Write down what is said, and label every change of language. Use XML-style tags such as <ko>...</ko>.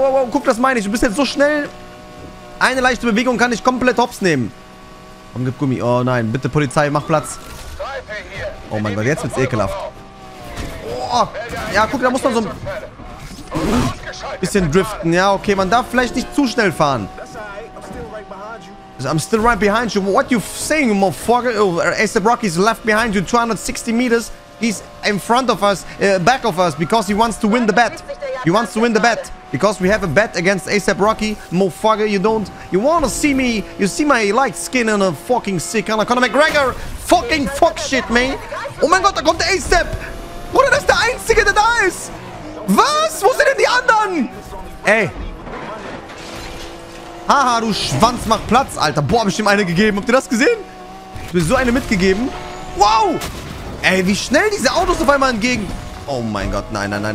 <de>Guck, das meine ich. Du bist jetzt so schnell. Eine leichte Bewegung kann dich komplett hops nehmen. Komm, gib Gummi. Oh nein, bitte Polizei, mach Platz. Oh mein Gott, jetzt wird's ekelhaft. Oh, ja, guck, da muss man so ein bisschen driften. Ja, okay, man darf vielleicht nicht zu schnell fahren.</de> <en>I'm still right behind you. What you saying, motherfucker? ASAP Rocky's left behind you 260 meters. He's in front of us, back of us, because he wants to win the bet. He wants to win the bet. Because we have a bet against ASAP Rocky. Motherfucker, you don't. You wanna see me? You see my light skin and a fucking sick Conor McGregor? Fucking fuck shit, man.</en> <de>Oh mein Gott, da kommt der ASAP. Bruder, das ist der Einzige, der da ist. Was? Wo sind denn die anderen? Ey. Haha, du Schwanz, mach Platz, Alter. Boah, hab ich ihm eine gegeben. Habt ihr das gesehen? Ich hab mir so eine mitgegeben. Wow. Ey, wie schnell diese Autos auf einmal entgegen. Oh mein Gott, nein.</de>